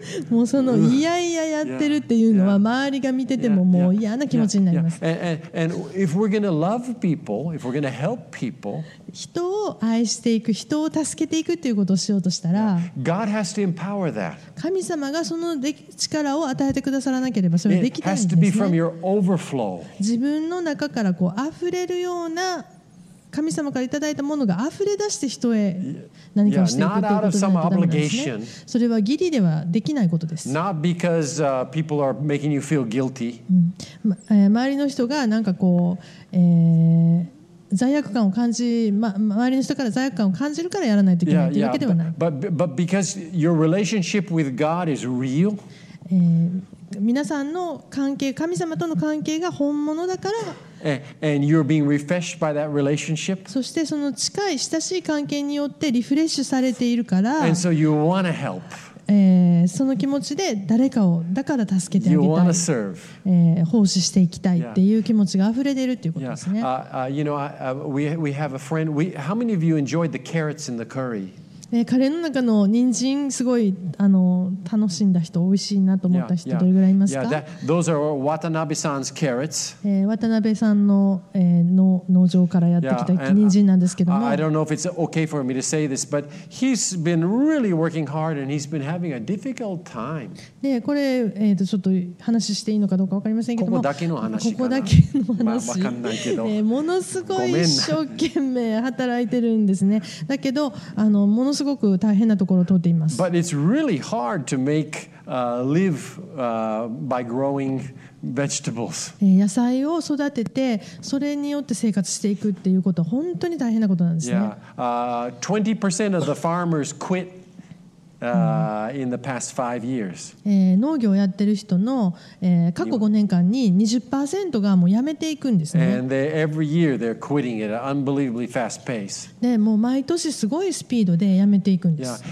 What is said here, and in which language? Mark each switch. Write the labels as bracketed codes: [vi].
[ja] もうそのいやいややってるっていうのは周りが見ててももう嫌な気持ちになります。 [en] And if we're gonna love people, if we're gonna help people, [ja] 人を愛していく、人を助けていくっていうことをしようとしたら、 [en] God has to empower that. [ja] 神様がその力を与えてくださらなければそれできないんですね。 [en] It has to be from your overflow. [ja] 自分の中からこう溢れるような。神様からいただいたものが溢れ出して人へ何かをしていくということではないとダメなんですね。それは義理ではできないことです。 [en] Not because people are making you feel guilty. [ja] 周りの人がなんかこう、罪悪感を感じ、周りの人から罪悪感を感じるからやらないといけないというわけではない。 [en] Yeah, yeah. But because your relationship with God is real. [ja] 皆さんの関係、神様との関係が本物だから。 [en] And you're being refreshed by that relationship. [ja] そしてその近い親しい関係によってリフレッシュされているから。 [en] And so you want to help. [ja] その気持ちで誰かをだから助けてあげたい。 [en] You want to serve. [ja] 奉仕していきたいっていう気持ちが溢れ出るっていうことですね。 [en] You know, we have a friend. How many of you enjoyed the carrots in the curry? [ja] 彼の中の人参すごいあの楽しんだ人美味しいなと思った人どれぐらいいますか [en] those are Watanabe-san's carrots. [ja] 渡辺さんの、の農場からやってきた人参なんですけども [en] I don't know if it's okay for me to say this but he's been really working hard and he's been having a difficult time [ja] でこれ、ちょっと話していいのかどうか分かりませんけどもここだけの話かなここだけの話、まあ、分かんないけど、ものすごい一生懸命働いてるんですねだけどあのものすごく大変なところを通っています。 [en] But it's really hard to make live by growing vegetables. [ja] 野菜を育てて、それによって生活していくっていうことは本当に大変なことなんですね。 [en] Yeah, 20% of the farmers quit in the past 5 years. [ja] 農業をやってる人の、過去5年間に 20% がもう辞めていくんですね。 [en] And every year they're quitting at an unbelievably fast pace. [ja] でもう毎年すごいスピードでやめていくんです。